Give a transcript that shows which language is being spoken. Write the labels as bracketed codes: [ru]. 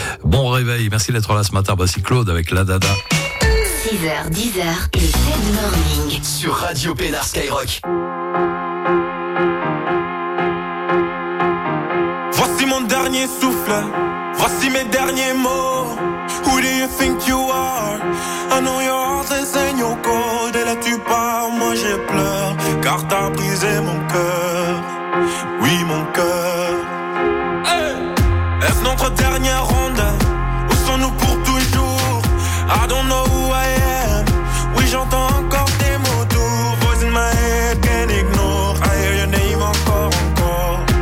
[fr] Bon réveil, merci d'être là ce matin. Voici Claude avec La Dada. 6h, 10h et Ted Morning sur Radio Pénard Skyrock. Voici mon dernier souffle, voici mes derniers mots. [en] Who do you think you are? I know your heart is in your code. [fr] Et là tu pars, moi je pleure, car t'as brisé mon cœur. Oui, mon cœur. Hey! Est-ce notre dernière ronde? Où sommes-nous pour toujours? [en] I don't know who I am. [fr] Oui, j'entends encore tes mots doux. [en] Voice in my head, can't ignore. I hear your name encore, encore.